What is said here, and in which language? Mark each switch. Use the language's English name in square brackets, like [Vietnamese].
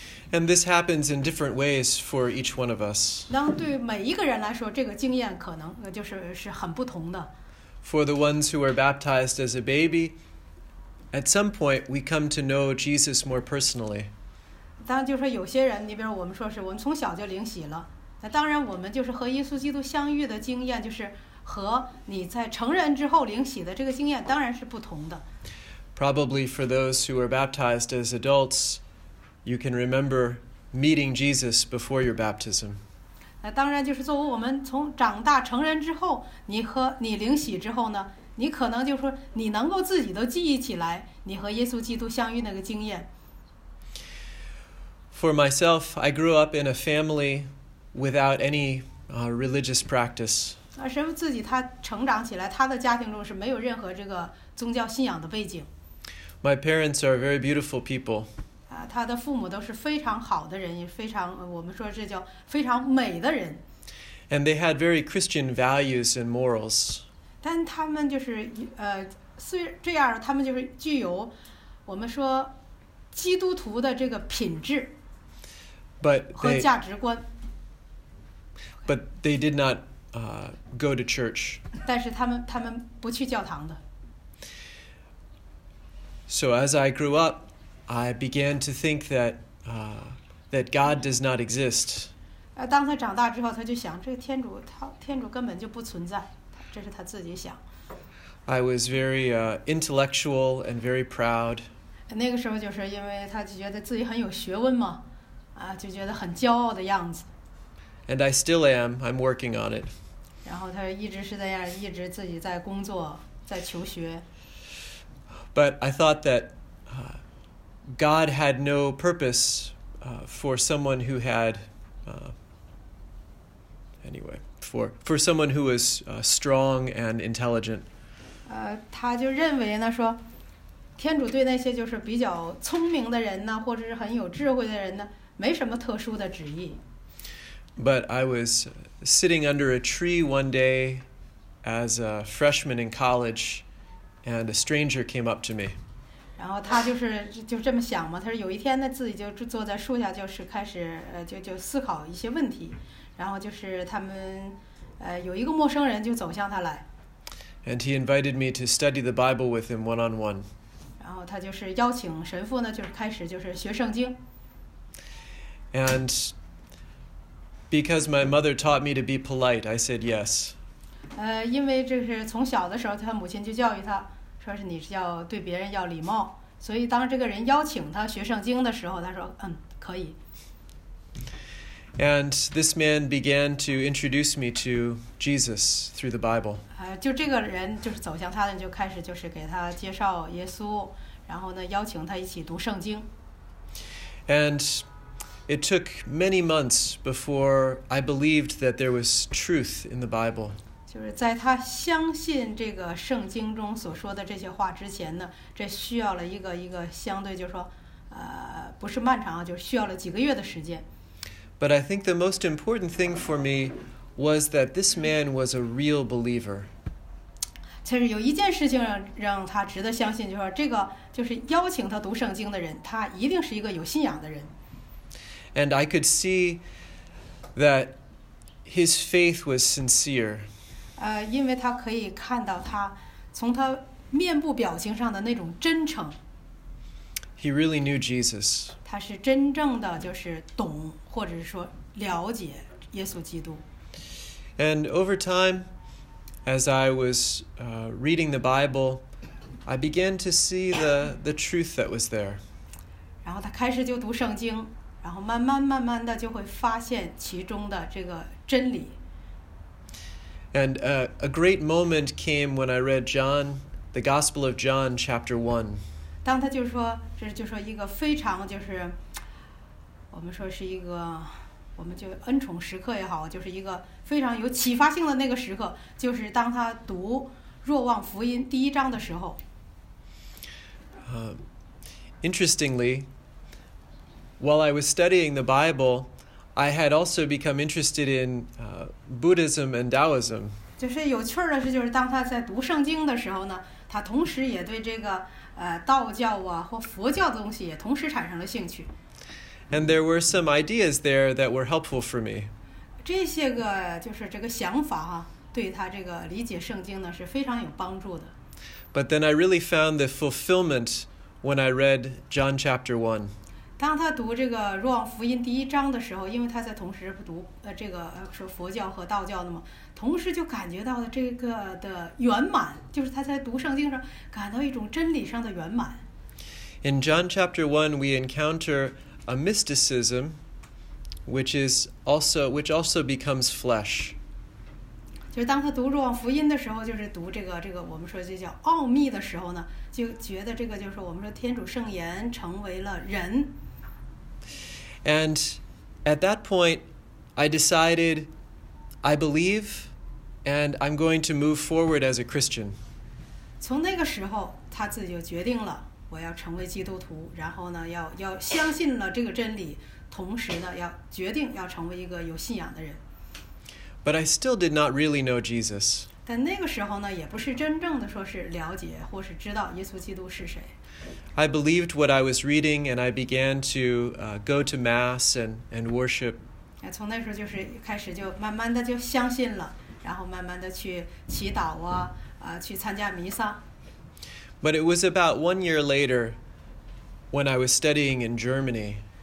[English] And this happens in different ways for each one of us. [Chinese] 当对每一个人来说，这个经验可能就是很不同的。 [English] For the ones who were baptized as a baby, at some point we come to know Jesus more personally. [Chinese] 当就是有些人，你比如我们说是我们从小就领洗了。那当然，我们就是和耶稣基督相遇的经验，就是和你在成人之后领洗的这个经验，当然是不同的。 [English] Probably for those who were baptized as adults, you can remember meeting Jesus before your baptism. [Chinese] 那当然，就是作为我们从长大成人之后，你和你领洗之后呢，你可能就是说你能够自己都记忆起来你和耶稣基督相遇那个经验。 [English] For myself, I grew up in a family. Without any religious practice. [Chinese] 那神父自己他成长起来，他的家庭中是没有任何这个宗教信仰的背景。 [English] My parents are very beautiful people. [Chinese] 啊，他的父母都是非常好的人，也非常我们说这叫非常美的人。 [English] And they had very Christian values and morals. [Chinese] 但他们就是虽这样，他们就是具有我们说基督徒的这个品质和价值观。 [English] But they did not go to church. [Chinese] 但是他们不去教堂的。 [English] So as I grew up, I began to think that that God does not exist. [Chinese] 当他长大之后，他就想这个天主根本就不存在，这是他自己想。 [English] I was very intellectual and very proud. [Chinese] 那个时候就是因为他就觉得自己很有学问嘛，啊，就觉得很骄傲的样子。 [English] And I still am. I'm working on it. [Chinese] 然后他一直是这样，一直自己在工作，在求学。 [English] But I thought that God had no purpose for someone who had anyway for someone who was strong and intelligent. [Chinese] 他就认为呢，说天主对那些就是比较聪明的人呢，或者是很有智慧的人呢，没什么特殊的旨意。 [English] But I was sitting under a tree one day as a freshman in college. And a stranger came up to me. [Chinese] 然后他就这么想嘛，他说有一天呢，自己就坐在树下，就是开始就思考一些问题，然后就是他们有一个陌生人就走向他来。 [English] And he invited me to study the Bible with him one on one. [Chinese] 然后他就是邀请神父呢，就是开始就是学圣经。 [English] And because my mother taught me to be polite, I said yes. [Chinese] 因为这是从小的时候，他母亲就教育他，说是你是要对别人要礼貌，所以当这个人邀请他学圣经的时候，他说嗯，可以。 [English] And this man began to introduce me to Jesus through the Bible. [Chinese] 就这个人就是走向他的，就开始就是给他介绍耶稣，然后呢邀请他一起读圣经。 [English] And it took many months before I believed that there was truth in the Bible. [Chinese] 就是在他相信这个圣经中所说的这些话之前呢，这需要了一个相对，就是说，不是漫长，就是需要了几个月的时间。 [English] But I think the most important thing for me was that this man was a real believer. [Chinese] 其实有一件事情让他值得相信，就是说这个就是邀请他读圣经的人，他一定是一个有信仰的人。 [English] And I could see that his faith was sincere. [Chinese] 因为他可以看到他从他面部表情上的那种真诚。 [English] He really knew Jesus. [Chinese] 他是真正的就是懂或者是说了解耶稣基督。 [English] And over time, as I was reading the Bible, I began to see the truth that was there. [Chinese] 然后他开始就读圣经，然后慢慢的就会发现其中的这个真理。 [English] And a great moment came when I read John, the Gospel of John, chapter 1. [Chinese] 当他就说，这就说一个非常就是，我们说是一个，我们就恩宠时刻也好，就是一个非常有启发性的那个时刻，就是当他读《若望福音》第一章的时候。 [English] Interestingly, while I was studying the Bible,I had also become interested in Buddhism and Taoism. [Chinese] 就是有趣的是，就是当他在读圣经的时候呢，他同时也对这个道教啊或佛教的东西也同时产生了兴趣。 [English] And there were some ideas there that were helpful for me. [Chinese] 这些个就是这个想法哈，对他这个理解圣经呢是非常有帮助的。 [English] But then I really found the fulfillment when I read John chapter 1. [Chinese] 当他读这个《若望福音》第一章的时候，因为他在同时读这个说佛教和道教的嘛，同时就感觉到了这个的圆满，就是他在读圣经上感到一种真理上的圆满。 [English] In John chapter 1, we encounter a mysticism, which also becomes flesh. [Chinese] 就是当他读《若望福音》的时候，就是读这个我们说就叫奥秘的时候呢，就觉得这个就是我们说天主圣言成为了人。 [English] And at that point, I decided, I believe, and I'm going to move forward as a Christian. [Chinese] 从那个时候，他自己就决定了，我要成为基督徒，然后呢，要相信了这个真理，同时呢，要决定要成为一个有信仰的人。 [English] But I still did not really know Jesus. [Chinese] 但那个时候呢，也不是真正的说是了解或是知道耶稣基督是谁。 [English] I believed what I was reading, and I began to go to mass and worship. [Chinese] 从那时候就是开始就慢慢的就相信了，然后慢慢的去祈祷啊，去参加弥撒。 [English] But it was about 1 year later, when I was studying in Germany.